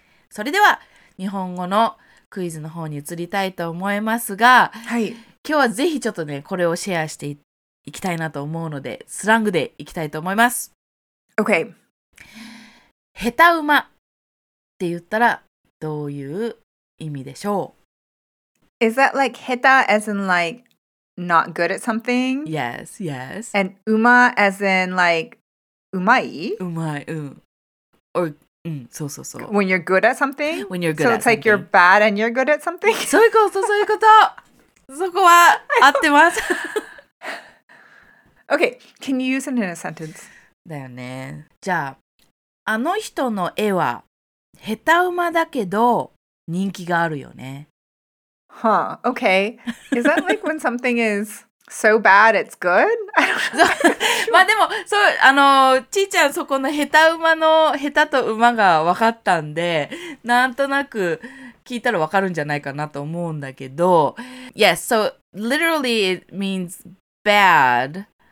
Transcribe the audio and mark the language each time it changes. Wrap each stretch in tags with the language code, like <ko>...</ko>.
<ja>それでは、日本語のクイズの方に移りたいと思いますが、はい、今日はぜひちょっとね、これをシェアしていきたいなと思うので、スラングでいきたいと思います。</ja> <en>OK。</en> <ja>下手馬って言ったら、どういう意味でしょう。</ja> <en>Is that like heta as in like not good at something? Yes, yes. And uma as in like umai? Umai, Or, so. When you're good at something? When you're good at something. So it's like you're bad and you're good at something?</en> <ja>そういうこと、そういうこと。そこは合ってます。</ja> <en>Okay, can you use it in a sentence?</en> <ja>だよね。じゃあ、あの人の絵は下手馬だけど、人気があるよね。</ja> <en>Huh, okay. Is that like when something is so bad it's good?</en> <ja>まあでも、そう、あの、ちーちゃんそこの下手馬の下手と馬が分かったんで、なんとなく聞いたら分かるんじゃないかなと思うんだけど、</ja> <en>Yes, so literally it means bad</en>